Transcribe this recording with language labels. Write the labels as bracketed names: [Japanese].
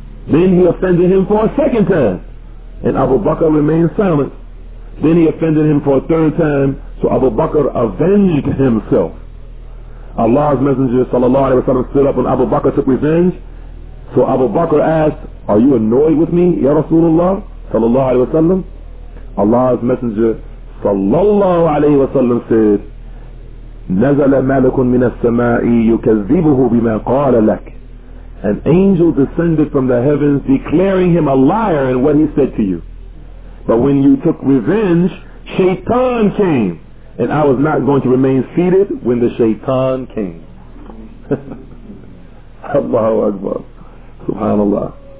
[English] Then he offended him for a second time, and Abu Bakr remained silent. Then he offended him for a third time, so Abu Bakr avenged himself. Allah's Messenger sallallahu alaihi wasallam stood up when Abu Bakr took revenge. So Abu Bakr asked, "Are you annoyed with me, Ya Rasulullah sallallahu alaihi wasallam?" Allah's Messenger sallallahu alaihi wasallam said, [Arabic] نزل ملك من السماء يكذبه بما قال لك. [English] An angel descended from the heavens declaring him a liar in what he said to you. But when you took revenge, Shaitan came. And I was not going to remain seated when the Shaitan came. Allahu Akbar. Subhanallah.